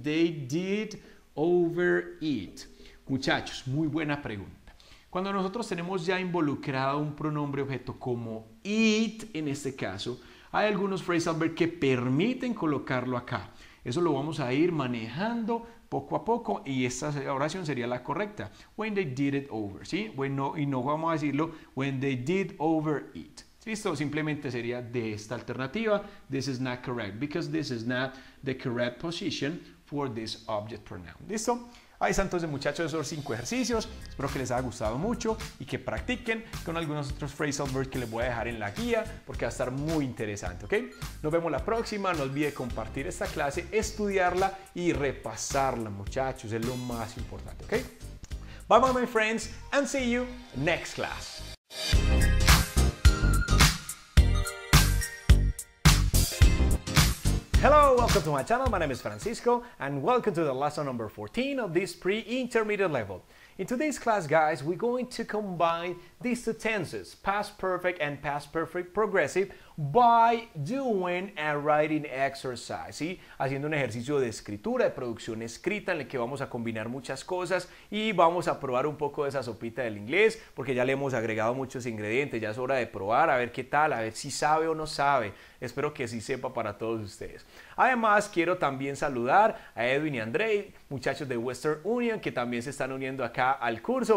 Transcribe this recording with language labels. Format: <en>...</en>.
<es>They did over it. Muchachos, muy buena pregunta. Cuando nosotros tenemos ya involucrado un pronombre objeto como it, en este caso, hay algunos phrasal verbs que permiten colocarlo acá. Eso lo vamos a ir manejando poco a poco y esta oración sería la correcta.</es> <en>When they did it over, ¿sí?</en> <es>Bueno, y no vamos a decirlo, when they did over it.</es> <en>¿Listo? Simplemente sería de esta alternativa. This is not correct because this is not the correct position for this object pronoun. ¿Listo?</en> <es>Ahí está entonces, muchachos, esos 5 ejercicios. Espero que les haya gustado mucho y que practiquen con algunos otros phrasal verbs que les voy a dejar en la guía, porque va a estar muy interesante, ¿ok? Nos vemos la próxima. No olvide compartir esta clase, estudiarla y repasarla, muchachos. Es lo más importante, ¿ok?</es> <en>Bye bye, my friends, and see you next class. Hello, welcome to my channel. My name is Francisco, and welcome to the lesson number 14 of this pre-intermediate level. In today's class, guys, we're going to combine these two tenses, past perfect and past perfect progressive, by doing a writing exercise, ¿sí?</en> <es>Haciendo un ejercicio de escritura, de producción escrita, en el que vamos a combinar muchas cosas y vamos a probar un poco de esa sopita del inglés, porque ya le hemos agregado muchos ingredientes, ya es hora de probar, a ver qué tal, a ver si sabe o no sabe. Espero que sí sepa para todos ustedes. Además, quiero también saludar a Edwin y André, muchachos de Western Union, que también se están uniendo acá al curso.</es>